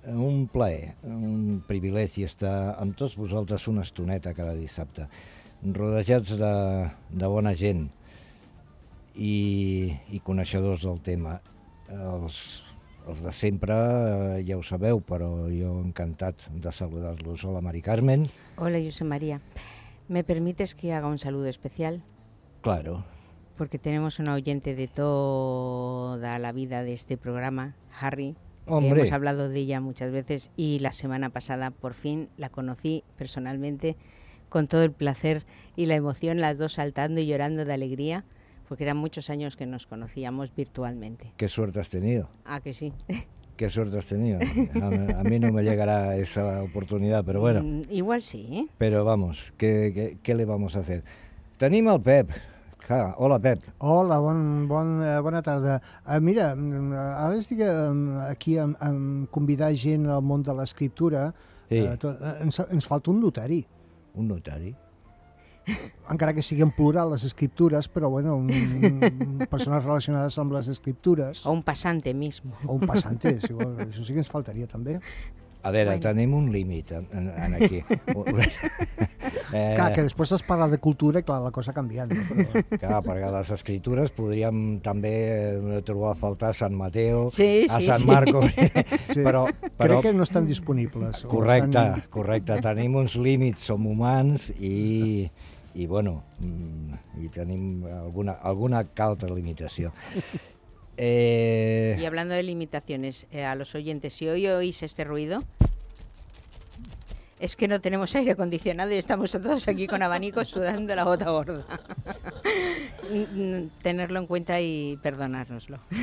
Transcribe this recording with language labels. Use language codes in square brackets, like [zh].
[ca] Un plaer, un privilegi estar amb tots vosaltres una estoneta cada dissabte, rodejats de bona gent i coneixedors del tema. Els de sempre, ja ho sabeu, però jo encantat de saludar-los. Hola, Mari Carmen. Hola, Josep Maria. [es] ¿Me permites que haga un saludo especial? Claro. Porque tenemos un oyente de toda la vida de este programa, Harry. ¡Hombre! Hemos hablado de ella muchas veces y la semana pasada por fin la conocí personalmente con todo el placer y la emoción, las dos saltando y llorando de alegría, porque eran muchos años que nos conocíamos virtualmente. ¡Qué suerte has tenido! ¡Ah, que sí! ¡Qué suerte has tenido! A mí no me llegará esa oportunidad, pero bueno. Igual sí, ¿eh? Pero vamos, ¿qué le vamos a hacer? [ca] ¡Tenim el Pep! Hola, Pep. Hola, bona tarda. Mira, ara estic aquí a convidar gent al món de l'escriptura. Sí. Ens falta un notari. Un notari? Encara que siguin plural les escriptures, però bueno, persones relacionades amb les escriptures. [es] O un passante mismo. [ca] O un passante, si vol, això sí que ens faltaria també. A veure, bueno. Tenim un límit en aquí. Clar, que després es parla de cultura i clar, la cosa canvia. No? Però... Clar, perquè les escriptures podríem també trobar a faltar Sant Mateo, sí, a sí, Sant sí. Marco. Sí. Però... Crec que no estan disponibles. Correcte, estan... correcte. Tenim uns límits, som humans i bueno, i tenim alguna altra limitació. [es] Y hablando de limitaciones, a los oyentes, si hoy oís este ruido, es que no tenemos aire acondicionado y estamos todos aquí con abanicos sudando la gota gorda. Tenerlo en cuenta y perdonárnoslo.